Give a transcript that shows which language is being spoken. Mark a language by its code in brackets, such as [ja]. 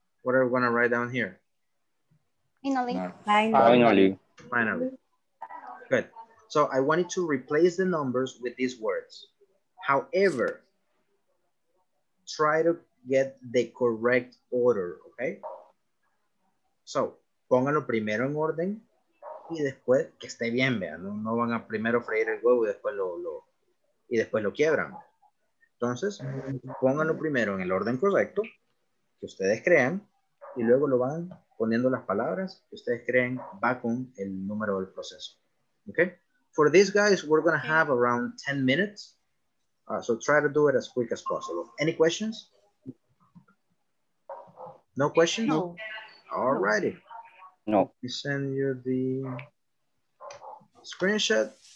[en] What are we going to write down here? Finally. Finally. Finally. Good. So I wanted to replace the numbers with these words. However, try to get the correct order, okay? [es] So, pónganlo primero en orden y después que esté bien, vean. No, no van a primero freír el huevo y después lo quiebran. Entonces, pónganlo primero en el orden correcto que ustedes crean y luego lo van poniendo las palabras que ustedes creen va con el número del proceso, okay? [en] For these guys, we're gonna have around 10 minutes. So try to do it as quick as possible. Any questions? No questions? No. All righty. No. Let me send you the screenshot.